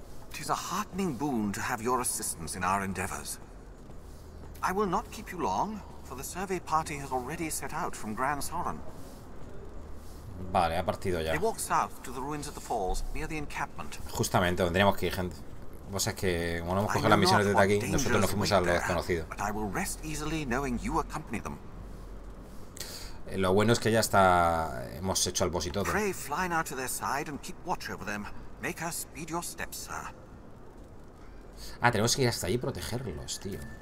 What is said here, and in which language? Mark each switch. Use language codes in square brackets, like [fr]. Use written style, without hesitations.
[en] It is a heartening boon to have your assistance in our endeavors. I will not keep you long, for the survey party has already set out from Gran Soren. [es] Vale, ha partido ya. [en] They walk south to the ruins of the falls, near the encampment. [es] Justamente, tendríamos que ir, gente. O sea, es que, como no hemos cogido las misiones desde aquí, nosotros nos fuimos a lo desconocido. [en] But I will rest easily knowing you accompany them. [es] Lo bueno es que ya está... hemos hecho al boss y todo. [en] Pray fly now to their side and keep watch over them. Make us speed your steps, sir. [es] Ah, tenemos que ir hasta allí y protegerlos, tío.